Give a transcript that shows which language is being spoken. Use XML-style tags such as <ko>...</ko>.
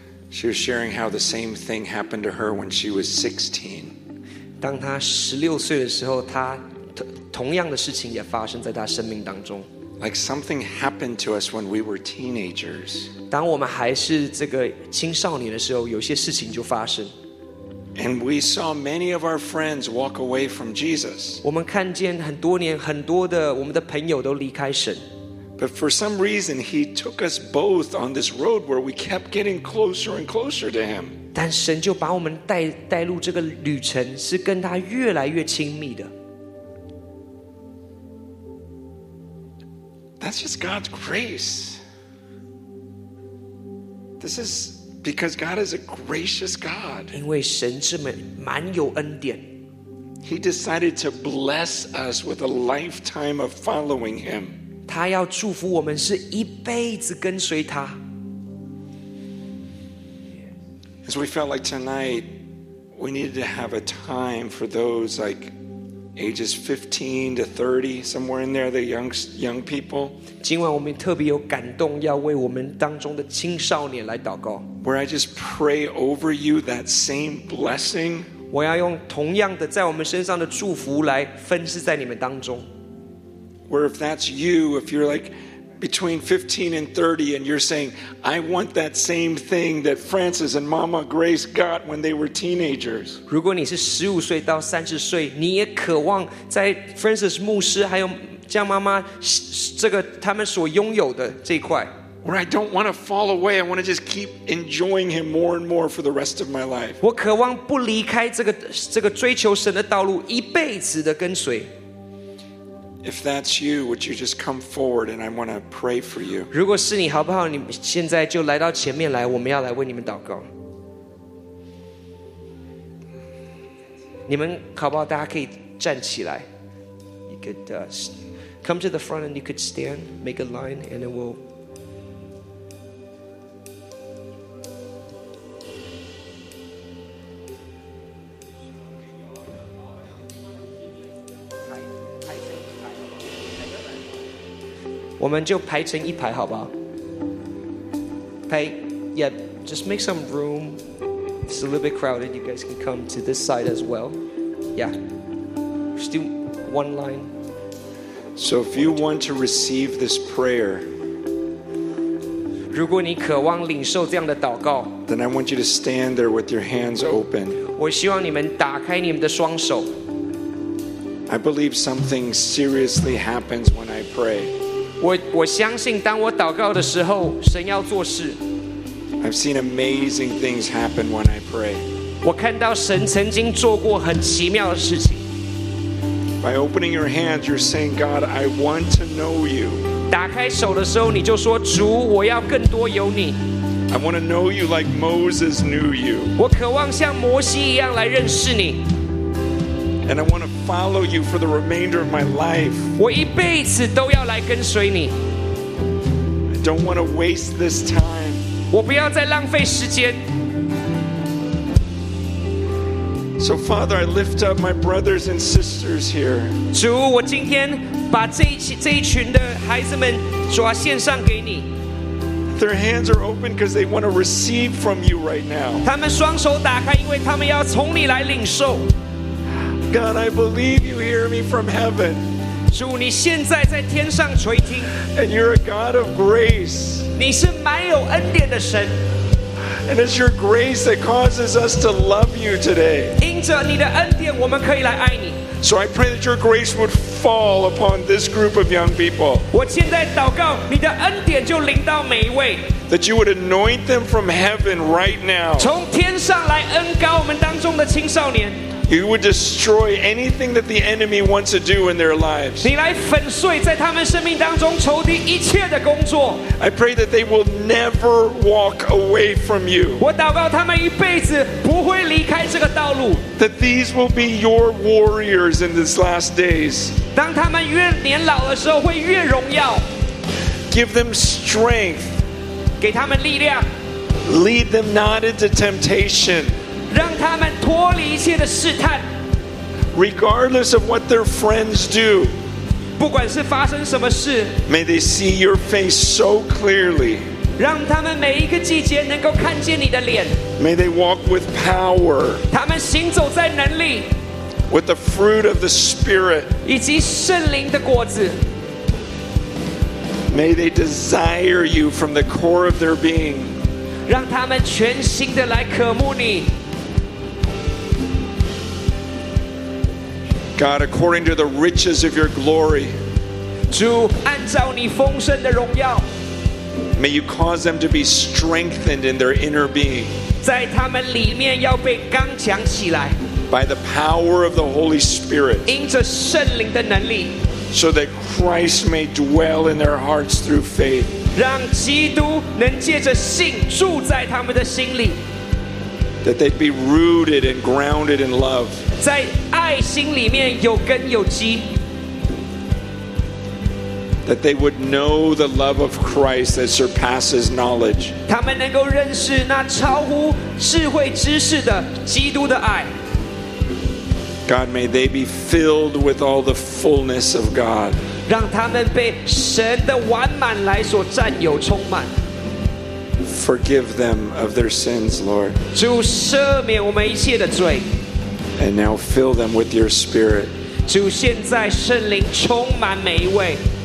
<en>She was sharing how the same thing happened to her when she was 16.</en> <zh>当她16岁的时候，她同样的事情也发生在她生命当中。</zh> <en>Like something happened to us when we were teenagers.</en> <zh>当我们还是这个青少年的时候，有些事情就发生。</zh> <en>And we saw many of our friends walk away from Jesus.</en> <zh>我们看见很多年很多的我们的朋友都离开神。</zh> <en>But for some reason, he took us both on this road where we kept getting closer and closer to him.</en> <zh>但神就把我们带入这个旅程，是跟他越来越亲密的。</zh> <en>That's just God's grace. This is because God is a gracious God.</en> <zh>因为神这么满有恩典。</zh> <en>He decided to bless us with a lifetime of following him.</en> <zh>他要祝福我们是一辈子跟随他。</zh> <en>As we felt like tonight, we needed to have a time for those like... Ages 15 to 30, somewhere in there, the young people.</en> <zh>今晚我们特别有感动，要为我们当中的青少年来祷告。</zh> <en>Where I just pray over you that same blessing.</en> <zh>我要用同样的在我们身上的祝福来分赐在你们当中。</zh> <en>Where if that's you, if you're like between 15 and 30, and you're saying, I want that same thing that Francis and Mama Grace got when they were teenagers.</en> <zh>如果你是15岁到30岁，你也渴望在 Francis 牧师还有江妈妈这个他们所拥有的这一块。</zh> <en>Where I don't want to fall away, I want to just keep enjoying him more and more for the rest of my life.</en> <zh>我渴望不离开这个追求神的道路，一辈子的跟随。</zh> <en>If that's you, would you just come forward and I want to pray for you?</en> <zh>如果是你好不好你现在就来到前面来我们要来为你们祷告。你们好不好大家可以站起来。</zh> <en>You could come to the front and you could stand, make a line, and then we'll...</en> <zh>我们就排成一排好不好排</zh> <en>Yeah, just make some room. It's a little bit crowded. You guys can come to this side as well. Yeah. Just do one line. So if you want to receive this prayer,</en> <zh>如果你渴望领受这样的祷告</zh> <en>then I want you to stand there with your hands open.</en> <zh>我希望你们打开你们的双手</zh> <en>I believe something seriously happens when I pray.</en> <zh>我相信当我祷告的时候神要做事</zh> <en>I've seen amazing things happen when I pray</en> <zh>我看到神曾经做过很奇妙的事情</zh> <en>By opening your hands you're saying God I want to know you</en> <zh>打开手的时候你就说主我要更多有你</zh> <en>I want to know you like Moses knew you</en> <zh>我渴望像摩西一样来认识你</zh> <en>And I want to follow you for the remainder of my life.</en> <zh>我一辈子都要来跟随你。</zh> <en>I don't want to waste this time.</en> <zh>我不要再浪费时间。</zh> <en>So Father, I lift up my brothers and sisters here.</en> <zh>主，我今天把这一群的孩子们主啊献上给你。</zh> <en>Their hands are open because they want to receive from you right now.</en> <zh>他们双手打开，因为他们要从你来领受。</zh> <en>God, I believe you hear me from heaven.</en> <zh>主，你现在在天上垂听。</zh> <en>And you're a God of grace.</en> <zh>你是满有恩典的神。</zh> <en>And it's your grace that causes us to love you today.</en> <zh>因着你的恩典，我们可以来爱你。</zh> <en>So I pray that your grace would fall upon this group of young people.</en> <zh>我现在祷告，你的恩典就临到每一位。</zh> <en>That you would anoint them from heaven right now.</en> <zh>从天上来恩膏我们当中的青少年。</zh> <en>You would destroy anything that the enemy wants to do in their lives.</en> <zh>你来粉碎在他们生命当中仇敌一切的工作。</zh> <en>I pray that they will never walk away from you.</en> <zh>我祷告他们一辈子不会离开这个道路。</zh> <en>That these will be your warriors in these last days.</en> <zh>当他们越年老的时候会越荣耀。</zh> <en>Give them strength.</en> <zh>给他们力量。</zh> <en>Lead them not into temptation.</en> <zh>让他们脱离一切的试探</zh> <en>Regardless of what their friends do</en> <zh>不管是发生什么事</zh> <en>May they see your face so clearly</en> <zh>让他们每一个季节能够看见你的脸</zh> <en>May they walk with power</en> <zh>他们行走在能力</zh> <en>With the fruit of the Spirit</en> <zh>以及圣灵的果子</zh> <en>May they desire you from the core of their being.</en> <zh>让他们全心的来渴慕你。</zh> <en>God, according to the riches of your glory.</en> <zh>主，按照你丰盛的荣耀。</zh> <en>May you cause them to be strengthened in their inner being.</en> <zh>在他们里面要被刚强起来。</zh> <en>By the power of the Holy Spirit.</en> <zh>因着圣灵的能力。</zh> <en>So that Christ may dwell in their hearts through faith.</en> <zh>让基督能借着信住在他们的心里。</zh> <en>That they'd be rooted and grounded in love.</en> <zh>在爱心里面有根有基。</zh> <en>That they would know the love of Christ that surpasses knowledge.</en> <zh>他们能够认识那超乎智慧知识的基督的爱。</zh> <en>God, may they be filled with all the fullness of God.</en> <zh>让他们被神的完满来所占有充满。</zh> <en>Forgive them of their sins, Lord.</en> <zh>主赦免我们一切的罪。</zh> <en>And now fill them with your Spirit.</en> <zh>主现在圣灵充满每一位。</zh>